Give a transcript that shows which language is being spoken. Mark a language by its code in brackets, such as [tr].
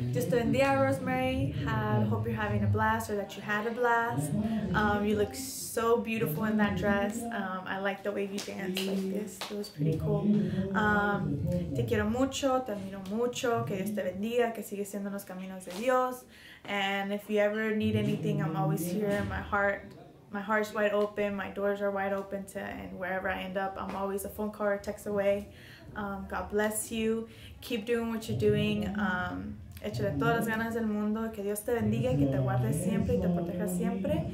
[en] So in the hour, Rosemary, hope you're having a blast, or that you had a blast. You look so beautiful in that dress. I like the way you danced like this. It was pretty cool. [es] Te quiero mucho, te admiro mucho, que Dios te bendiga, que sigues siendo los caminos de Dios. [en] And if you ever need anything, I'm always here. My heart's wide open. My doors are wide open to, and wherever I end up, I'm always a phone call or text away. God bless you. Keep doing what you're doing. [es] Échale todas las ganas del mundo, que Dios te bendiga, que te guarde siempre y te proteja siempre.